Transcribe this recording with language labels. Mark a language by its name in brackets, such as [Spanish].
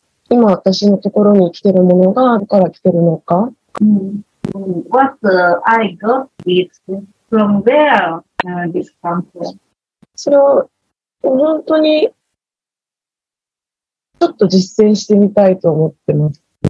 [Japanese] 今私のところに来てるものがあるから来てるのか。 [English] What I got is from where this comes from. [Japanese] それを本当にちょっと実践してみたいと思ってます。